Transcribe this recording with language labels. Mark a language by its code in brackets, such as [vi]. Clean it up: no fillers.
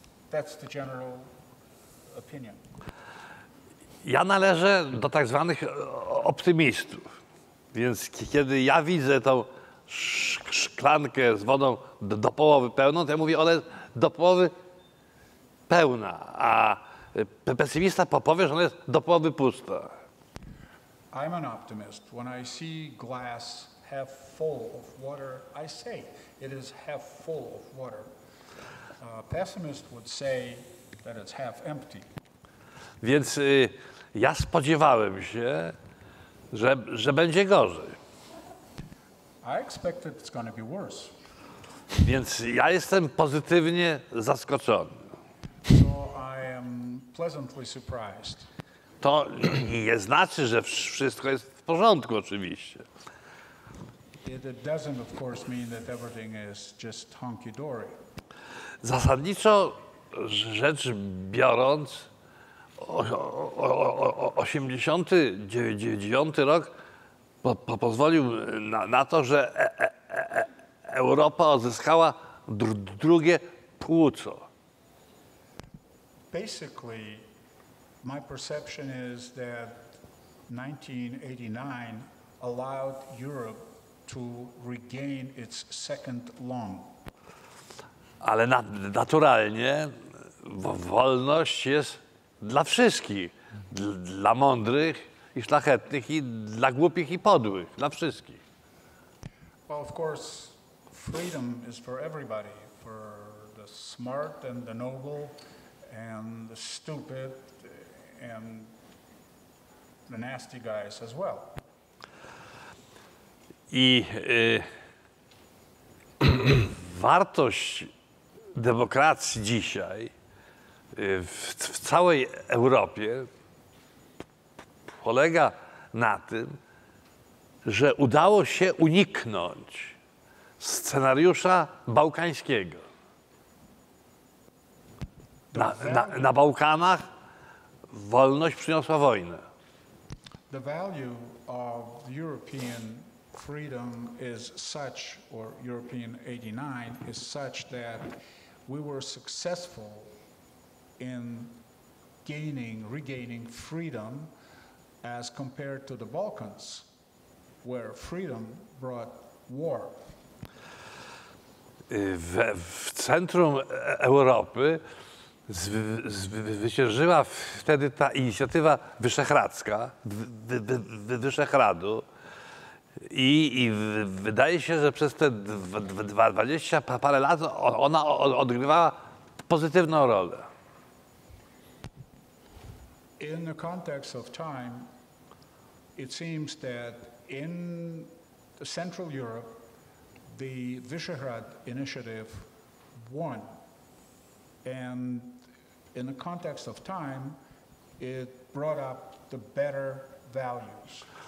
[en] That's the general opinion. [pl] Ja należę do tak zwanych optymistów, więc kiedy ja widzę tą szklankę z wodą do połowy pełną, to ja mówię, ona jest do połowy pełna, a pesymista powie, że ona jest do połowy pusta. [en] I'm an optimist. When I see glass half full of water, I say it is half full of water. A pessimist would say that it's half empty. [pl] Więc ja spodziewałem się, że będzie gorzej. [en] I expected it's going to be worse. [pl] Więc ja jestem pozytywnie zaskoczony. [en] So I am pleasantly surprised. [pl] To nie znaczy, że wszystko jest w porządku, oczywiście. [en] It doesn't, of course, mean that everything is just hunky-dory. [pl] Zasadniczo rzecz biorąc, 89 rok pozwolił na to, że Europa odzyskała drugie płuco. [en] Basically, my perception is that 1989 allowed Europe to regain its second lung. [pl] Ale naturalnie wolność jest dla wszystkich, dla mądrych i szlachetnych, i dla głupich i podłych, dla wszystkich. [en] Well, of course, freedom is for everybody, for the smart and the noble and the stupid and the nasty guys as well. [pl] I wartość demokracji dzisiaj w całej Europie polega na tym, że udało się uniknąć scenariusza bałkańskiego. Na Bałkanach wolność przyniosła wojnę. [en] The value of European freedom is such, or European 89 is such that we were successful in regaining freedom as compared to the Balkans, where freedom brought war. [pl] W centrum Europy zwyciężyła wtedy ta inicjatywa wyszehradzka, Wyszehradu. I wydaje się, że przez te 20 parę lat ona odgrywała pozytywną rolę. [en] In the context of time, it seems that in Central Europe, the Visegrad initiative won. And in the context of time, it brought up the better values.